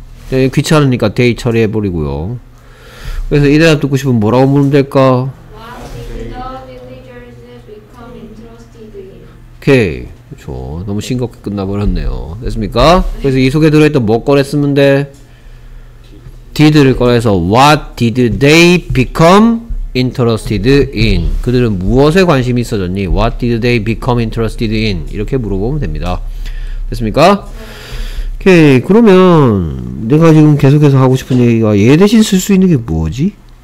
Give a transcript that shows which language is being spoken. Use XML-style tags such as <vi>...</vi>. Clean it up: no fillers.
<ko>귀찮으니까 데이 처리해버리고요. 그래서 이 대답 듣고 싶으면 뭐라고 물으면 될까?</ko> <en>Why did the villagers become interested in?</en> <ko>오케이. 그쵸. 너무 싱겁게 끝나버렸네요. 됐습니까? 그래서 이 속에 들어있던 뭐 꺼냈으면 돼? did를 꺼내서</ko> <en>What did they become interested in?</en> <ko>그들은 무엇에 관심이 있어졌니?</ko> <en>What did they become interested in?</en> <ko>이렇게 물어보면 됩니다. 됐습니까? 오케이. 그러면 내가 지금 계속해서 하고 싶은 얘기가 얘 대신 쓸 수 있는 게 뭐지?</ko>